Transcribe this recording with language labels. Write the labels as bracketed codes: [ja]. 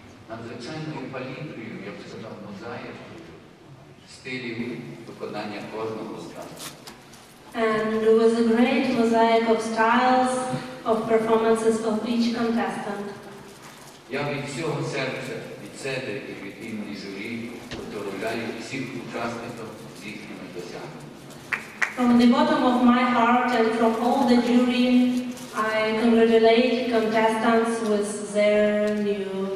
[uk] Надзвичайною палітрою, я б сказав, мозаїкою, стилів виконання кожного з нас. [en] And there was a great mosaic of styles, of performances of each contestant. [uk] Я від всього серця, від себе і від імені журі поздоровляю всіх учасників з їхніми досягненнями. [en] From the bottom of my heart and from all the jury, I congratulate contestants with their new